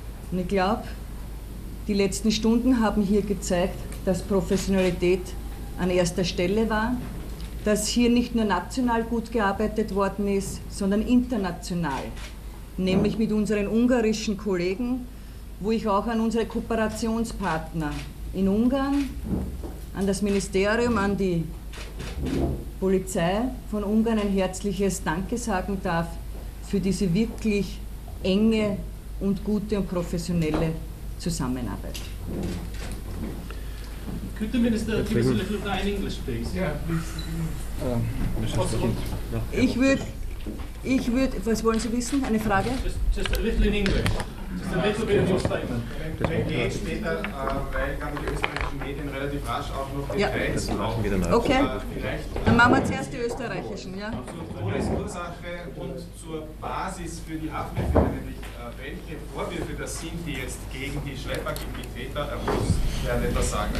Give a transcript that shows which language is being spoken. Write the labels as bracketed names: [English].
[German] Und ich glaube, die letzten Stunden haben hier gezeigt, dass Professionalität an erster Stelle war, dass hier nicht nur national gut gearbeitet worden ist, sondern international, nämlich mit unseren ungarischen Kollegen, wo ich auch an unsere Kooperationspartner in Ungarn, an das Ministerium, an die Polizei von Ungarn ein herzliches Danke sagen darf für diese wirklich enge und gute und professionelle Zusammenarbeit. [English] Could the Minister give us a little time in English, please? [German] Was wollen Sie wissen? Eine Frage? [English] Just a little in English. Just a little bit of your statement. [German] Wenn geht später, weil dann die österreichischen Medien relativ rasch auch noch die Details brauchen wieder nach. Okay. Dann machen wir zuerst die österreichischen. Ja. Zur Todesursache und zur Basis für die Abwürfe, nämlich welche Vorwürfe das sind, die jetzt gegen die Schlepper, gegen die Täter erhoben werden, etwas sagen.